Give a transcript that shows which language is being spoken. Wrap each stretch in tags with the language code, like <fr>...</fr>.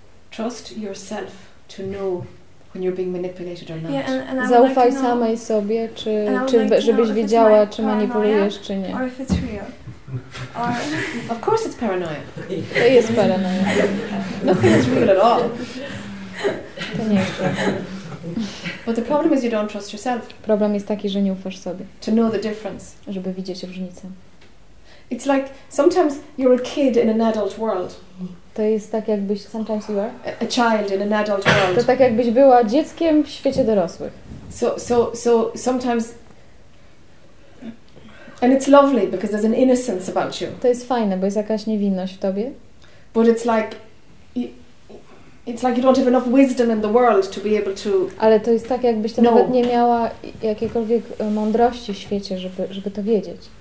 <en>Trust yourself to know when you're being manipulated or not. Yeah, and</en> <pl>zaufaj</pl> <en>like</en> <pl>samej sobie, czy like żebyś wiedziała, czy manipulujesz, czy nie.</pl> <en>Or if it's real. Of course it's paranoia.</en> <pl>To jest paranoia.</pl> <en>Nothing is real at all.</en> <pl>To nie jest.</pl> <en>But the problem is you don't trust yourself.</en> <pl>Problem jest taki, że nie ufasz sobie.</pl> <en>To know the difference.</en> <pl>Żeby widzieć różnicę.</pl> <en>It's like sometimes you're a kid in an adult world.</en> <pl>To jest tak jakbyś</pl> <en>sometimes you are a child in an adult world.</en> <pl>To tak jakbyś była dzieckiem w świecie dorosłych.</pl> <en>So sometimes. And it's lovely because there's an innocence about you.</en> <pl>To jest fajne, bo jest jakaś niewinność w tobie.</pl> <en>But it's like you don't have enough wisdom in the world to be able to.</en> <pl>Ale to jest tak, jakbyś to nawet nie miała jakiejkolwiek mądrości w świecie, żeby to wiedzieć.</pl>